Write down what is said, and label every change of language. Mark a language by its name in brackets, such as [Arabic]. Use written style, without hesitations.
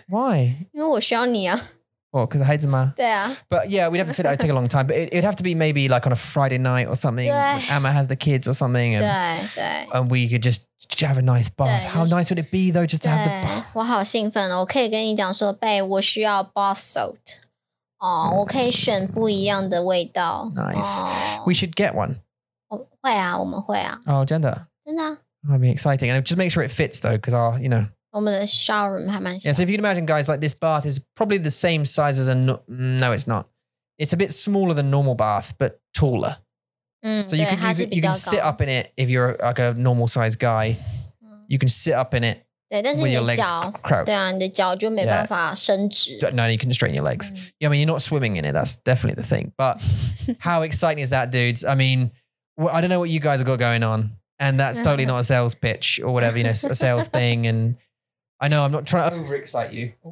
[English] Why? [Chinese] 因为我需要你啊。哦，可是孩子吗？对啊。 [English] But yeah, we'd have to fit. It'd take a long time, but it'd have to be maybe like on a Friday night or something. Emma has the kids or something. [Chinese] 对对。 [English] And we could just have a nice bath. How nice would it be though, just to have the bath? [Chinese] 我好兴奋哦！我可以跟你讲说，贝，我需要 bath salt. 哦，我可以选不一样的味道。 [English] Nice. We should get one. [Chinese] 会啊，我们会啊。 Oh, 真的？真的 [English] 啊。That'd be exciting. And just make sure it fits though, because our, you know. [Chinese] 我们的 shower room 还蛮小。 [English] Yeah, so if you can imagine, guys, like this bath is probably the same size as a... No, it's not. It's a bit smaller than normal bath, but taller. So you can sit up in it if you're like a normal size guy. You can sit up in it [Chinese] 对, [English] when your legs crouch. [Chinese] 对啊，你的脚就没办法伸直。 [English] No, you can straighten your legs. Yeah, I mean, you're not swimming in it. That's definitely the thing. But how exciting is that, dudes? I mean... Well, I don't know what you guys have got going on. And that's totally not a sales pitch or whatever, you know, a sales thing. And I know I'm not trying to overexcite you.